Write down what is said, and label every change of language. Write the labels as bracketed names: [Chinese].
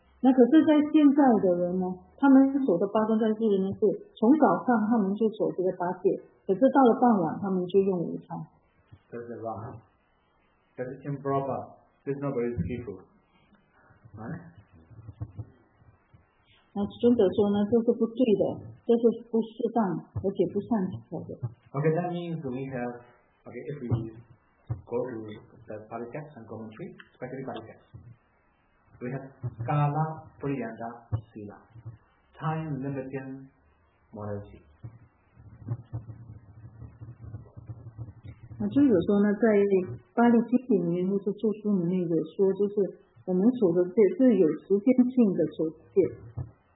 [Chinese] 那可是，在现在的人呢，他们守的八关斋戒呢，是从早上他们就守这个八戒，可是到了傍晚他们就用午餐。 [English] That's wrong. That's improper. That's not very skillful. [Chinese] 那尊者说呢，这是不对的，这是不适当，而且不善巧的。 [English] Okay, that means we have, okay, if we go to the Pali text and commentary, especially Pali text, we have Kala Priyanda Sila, time limiting morality. [Chinese] 那尊者说呢，在巴利经典里面或者著书里面也说，就是我们守的戒是有时间性的守戒。